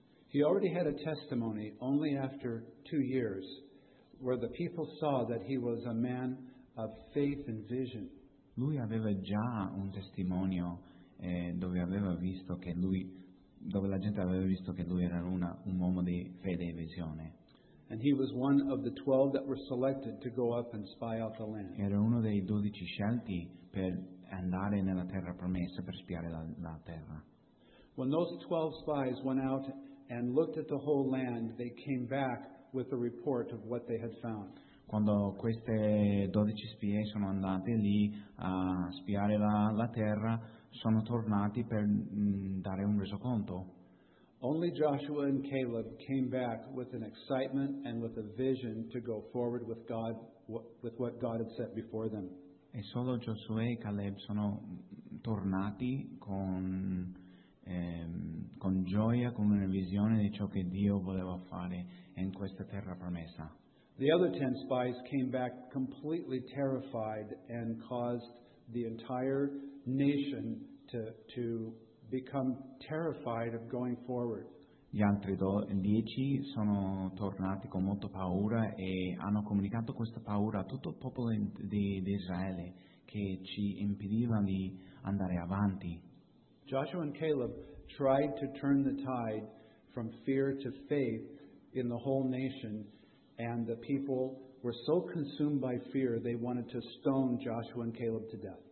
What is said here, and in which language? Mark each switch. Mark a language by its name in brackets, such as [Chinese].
[English] He already had a testimony only after 2 years, where the people saw that he was a man of faith and vision. [Italian] Lui aveva già un testimonio dove aveva visto che lui, dove la gente aveva visto che lui era un uomo di fede e visione. [English] And he was one of the 12 that were selected to go up and spy out the land. [Italian] Era uno dei 12 scelti per andare nella terra promessa per spiare la terra. [English] When those 12 spies went out and looked at the whole land, they came back with a report of what they had found. [Italian] Quando queste 12 spie sono andate lì a spiare la terra, sono tornati per dare un resoconto. [English] Only Joshua and Caleb came back with an excitement and with a vision to go forward with God, with what God had set before them. [Italian] E solo Giosuè e Caleb sono tornati con gioia, con una visione di ciò che Dio voleva fare in questa terra promessa. [English] The other 10 spies came back completely terrified and caused the entire nation to become terrified of going forward. [Italian] Gli altri 10 sono tornati con molta paura e hanno comunicato questa paura a tutto il popolo di Israele che ci impediva di andare avanti. [English] Joshua and Caleb tried to turn the tide from fear to faith in the whole nation, and the people were so consumed by fear they wanted to stone Joshua and Caleb to death.